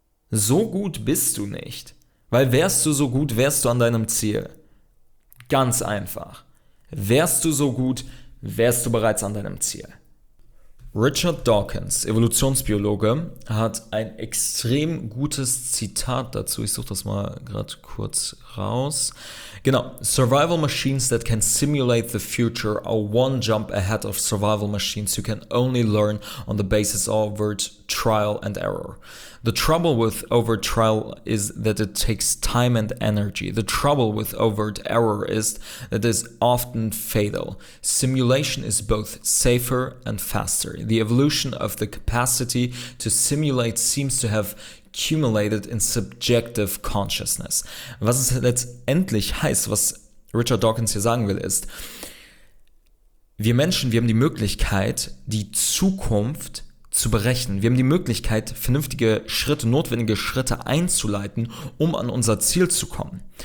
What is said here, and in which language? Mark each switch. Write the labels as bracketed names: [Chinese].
[German] So gut bist du nicht. Weil wärst du so gut, wärst du an deinem Ziel. Ganz einfach. Wärst du so gut, wärst du bereits an deinem Ziel. Richard Dawkins, Evolutionsbiologe, hat ein extrem gutes Zitat dazu. Ich suche das mal gerade kurz raus. Genau. [English] Survival machines that can simulate the future are one jump ahead of survival machines who can only learn on the basis of overt trial and error. The trouble with overt trial is that it takes time and energy. The trouble with overt error is that it is often fatal. Simulation is both safer and faster. The evolution of the capacity to simulate seems to have accumulated in subjective consciousness. [German] Was es letztendlich heißt, was Richard Dawkins hier sagen will, ist, wir Menschen, wir haben die Möglichkeit, die Zukunft zu berechnen. Wir haben die Möglichkeit, vernünftige Schritte, notwendige Schritte einzuleiten, um an unser Ziel zu kommen.